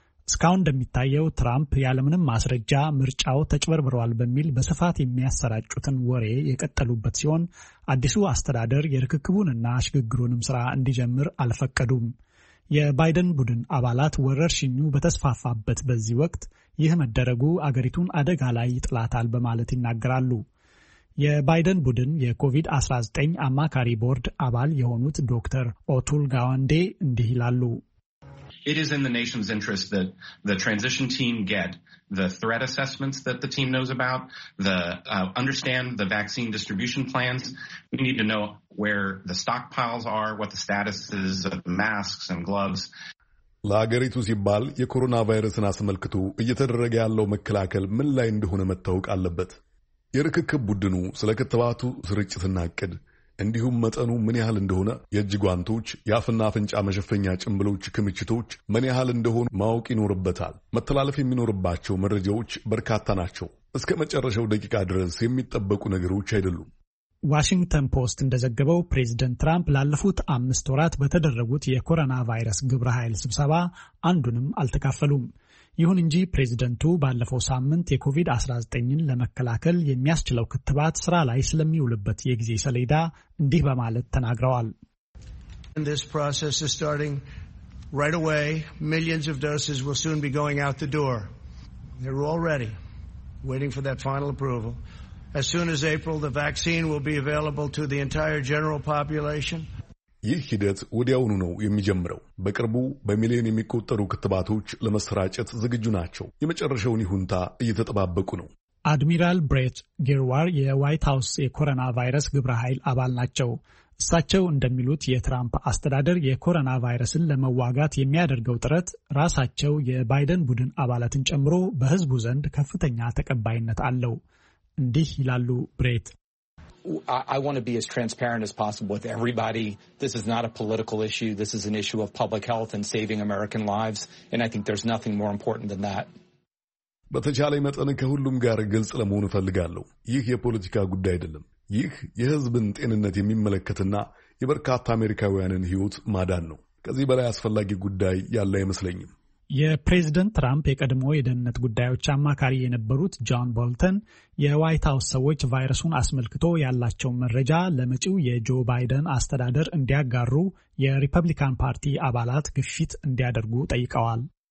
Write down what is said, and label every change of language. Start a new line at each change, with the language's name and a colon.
Amharic: እስካሁን እንደሚታየው ትራምፕ ያለምንም ማስረጃ ምርጫው ተጭበርብሯል በሚል በስፋት የሚያሰራጩትን ወሬ የቀጠሉበት ሲሆን አዲሱ አስተዳደር የርክክቡንና ሽግግሩንም ስራ እንዲጀምር አልፈቀዱም። የባይደን ቡድን አባላት ወረርሽኙ በተስፋፋበት በዚህ ወቅት ይህ መደረጉ አገሪቱን አደጋ ላይ ይጥላታል በማለት ይናገራሉ። የባይደን ቡድን የኮቪድ-19 አማካሪ ቦርድ አባል የሆኑት ዶክተር ኦቱል ጋዋንዴ እንዲህ ይላሉ።
English: It is in the nation's interest that the transition team get the threat assessments that the team knows about, understand the vaccine distribution plans. We need to know where the stockpiles are, what the status is of masks and gloves.
Amharic: ለሀገሪቱ ሲባል የኮሮና ቫይረስን አስመልክቶ እየተደረገ ያለው መከላከል ምን ላይ እንደሆነ መታወቅ አለበት። የርክክብ ቡድኑ ስለ ክትባቱ ስርጭትና እቅድ እንዲሁም መጠኑ ምን ያህል እንደሆነ፣ የእጅ ጓንቶች፣ የአፍና አፍንጫ መሸፈኛ ጭንብሎች ክምችቶች ምን ያህል እንደሆኑ ማወቅ ይኖርበታል። መተላለፍ የሚኖርባቸው መረጃዎች በርካታ ናቸው። እስከ መጨረሻው ደቂቃ ድረስ የሚጠበቁ ነገሮች አይደሉም። ዋሽንግተን ፖስት እንደዘገበው ፕሬዚደንት ትራምፕ ላለፉት 5 ወራት በተደረጉት የኮሮና ቫይረስ ግብረ ኃይል ስብሰባ አንዱንም አልተካፈሉም። ይሁን እንጂ ፕሬዚደንቱ ባለፈው ሳምንት የኮቪድ-19ን ለመከላከል የሚያስችለው ክትባት ስራ ላይ ስለሚውልበት የጊዜ ሰሌዳ እንዲህ በማለት ተናግረዋል።
English: This process is starting right away. Millions of doses will soon be going out the door. They're already waiting for that final approval. As soon as April, the vaccine will be available to the entire general population.
Amharic: ይህ ሂደት ወዲያውኑ ነው የሚጀምረው። በቅርቡ በሚሊዮን የሚቆጠሩ ክትባቶች ለመሰራጨት ዝግጁ ናቸው። የመጨረሻውን ይሁንታ እየተጠባበቁ ነው። አድሚራል ብሬት ጊርዋር የዋይት ሃውስ የኮሮና ቫይረስ ግብረ ኃይል አባል ናቸው። እሳቸው እንደሚሉት የትራምፕ አስተዳደር የኮሮና ቫይረስን ለመዋጋት የሚያደርገው ጥረት ራሳቸው የባይደን ቡድን አባላትን ጨምሮ በሕዝቡ ዘንድ ከፍተኛ ተቀባይነት አለው። እንዲህ ይላሉ ብሬት።
English: I want to be as transparent as possible with everybody. This is not a political issue. This is an issue of public health and saving American lives. And I think there's nothing more important than that.
Amharic: በተቻለ መጠን ከሁሉም ጋር ግልጽ ለመሆን ፈልጋለሁ። ይህ የፖለቲካ ጉዳይ አይደለም። ይህ የሕዝብን ጤንነት የሚመለከትና የበርካታ አሜሪካውያንን ሕይወት ማዳን ነው። ከዚህ በላይ አስፈላጊ ጉዳይ ያለ አይመስለኝም። የፕሬዝደንት ትራምፕ የቀድሞ የደህንነት ጉዳዮች አማካሪ የነበሩት ጆን ቦልተን የዋይት ሃውስ ሰዎች ቫይረሱን አስመልክቶ ያላቸውን መረጃ ለመጪው የጆ ባይደን አስተዳደር እንዲያጋሩ የሪፐብሊካን ፓርቲ አባላት ግፊት እንዲያደርጉ ጠይቀዋል።